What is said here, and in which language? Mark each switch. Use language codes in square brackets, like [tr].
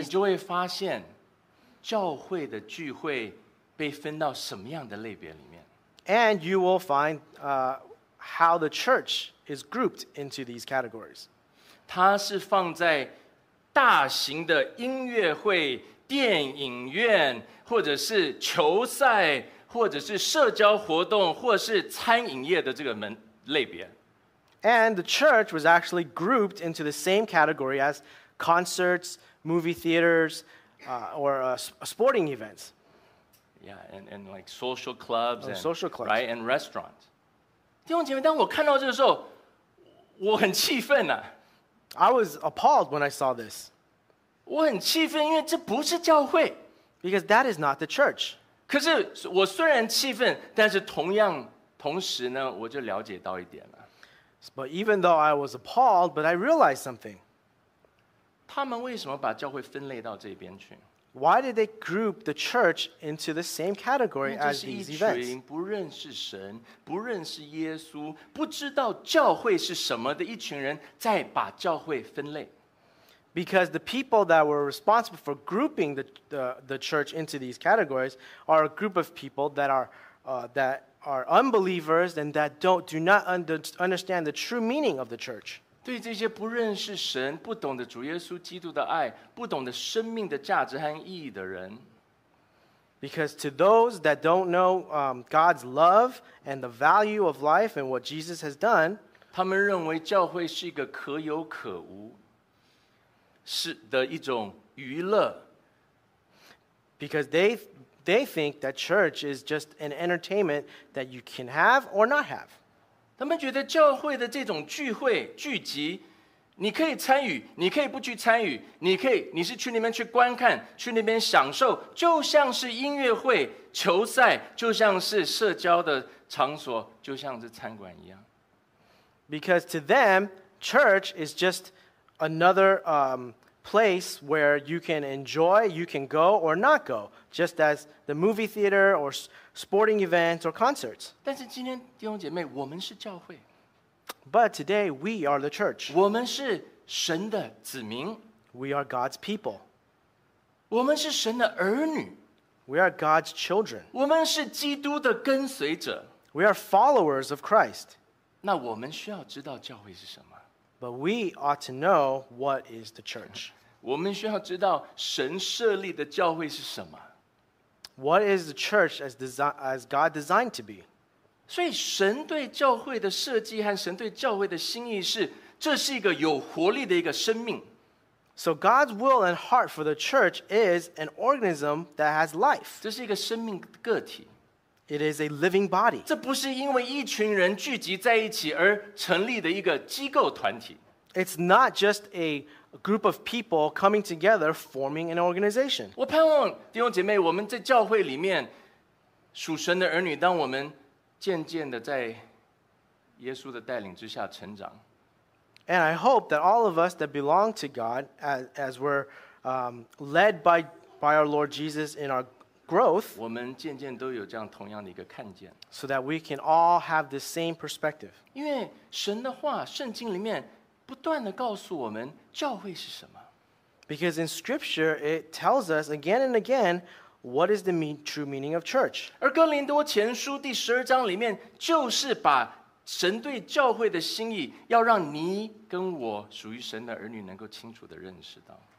[zh] 你就会发现教会的聚会被分到什么样的类别里面 [en] And you will find how the church is grouped into these categories [zh] 它是放在大型的音乐会电影院或者是球赛或者是社交活动，或者是餐饮业的这个门类别。 [en] And the church was actually grouped into the same category as concerts, movie theaters, or sporting events. Yeah, and like social clubs, and, social clubs, right, and restaurants. [zh] 弟兄姐妹，当我看到这个时候，我很气愤呐。 [en] I was appalled when I saw this. [zh] 我很气愤，因为这不是教会。 [en] Because that is not the church. [zh] 可是我虽然气愤，但是同时呢，我就了解到一点了。 [en] But even though I was appalled, but I realized something. [zh] 他们为什么把教会分类到这边去 [en] ？Why did they group the church into the same category as these events? [zh] 那就是一群不认识神、不认识耶稣、不知道教会是什么的一群人在把教会分类。 [en] Because the people that were responsible for grouping the church into these categories are a group of people that are unbelievers and that do not understand the true meaning of the church. [zh] 对这些不认识神、不懂得主耶稣基督的爱、不懂得生命的价值和意义的人， [en] Because to those that don't know God's love and the value of life and what Jesus has done, [zh] 他们认为教会是一个可有可无是的一种娱乐。 [en] Because they think that church is just an entertainment that you can have or not have. [zh] 他们觉得教会的这种聚会聚集你可以参与你可以不去参与你可以你是去那边去观看去那边享受就像是音乐会球赛就像是社交的场所就像是餐馆一样。 [en] Because to them, church is just another place where you can enjoy, you can go or not go, just as the movie theater or sporting events or concerts. [zh] 但是今天弟兄姐妹，我们是教会。 [en] But today we are the church. [zh] 我们是神的子民。 [en] We are God's people. [zh] 我们是神的儿女。 [en] We are God's children. [zh] 我们是基督的跟随者。 [en] We are followers of Christ. [zh] 那我们需要知道教会是什么。 [en] But we ought to know what is the church. [zh] 我们需要知道神设立的教会是什么。 [en] What is the church as God designed to be? [zh] 所以神对教会的设计和神对教会的心意是这是一个有活力的一个生命。 [en] So God's will and heart for the church is an organism that has life. [zh] 这是一个生命个体。 [en] It is a living body. [zh] 这不是因为一群人聚集在一起而成立的一个机构团体。 [en] It's not just a group of people coming together forming an organization. [zh] 我盼望弟兄姐妹，我们在教会里面属神的儿女，当我们渐渐的在耶稣的带领之下成长。 [en] And I hope that all of us that belong to God, as we're led by our Lord Jesus in our growth, [zh] 我们渐渐都有这样同样的一个看见。 [en] So that we can all have the same perspective. [zh] 因为神的话，圣经里面不断地告诉我们教会是什么。 [en] Because in Scripture, it tells us again and again what is the true meaning of church. [zh] 而哥林多前书第十二章里面就是把神对教会的心意要让你跟我属于神的儿女能够清楚地认识到。